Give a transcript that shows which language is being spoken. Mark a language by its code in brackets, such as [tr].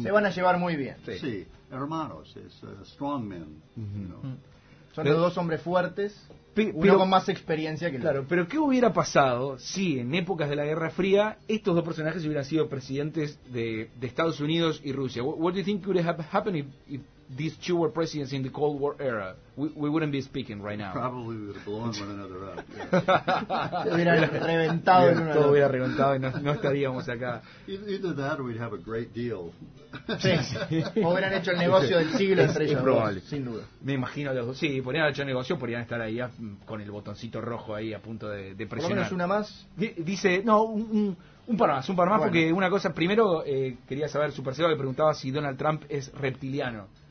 [es] Se van a llevar muy bien. Sí hermanos, es [en] strong men. Uh-huh. [es] Son dos hombres fuertes, uno con más experiencia que el otro. Claro, pero ¿qué hubiera pasado si en épocas de la Guerra Fría estos dos personajes hubieran sido presidentes de Estados Unidos y Rusia? [en] What do you think would have happened if these two were presidents in the Cold War era? We wouldn't be speaking right now. Probably would have blown one another up. Yeah. [es] Hubieran reventado en todo hubiera reventado y no estaríamos acá. [en] Either that or we'd have a great deal. [es] Sí. O hubieran hecho el negocio del siglo entre ellos. Probable. Sin duda. Me imagino los dos. Sí, podrían haber hecho negocio, podrían estar ahí con el botoncito rojo ahí a punto de presionar. ¿Por lo menos una más? Dice, no, un par más, bueno. Porque una cosa, primero quería saber, Supercero le preguntaba si Donald Trump es reptiliano.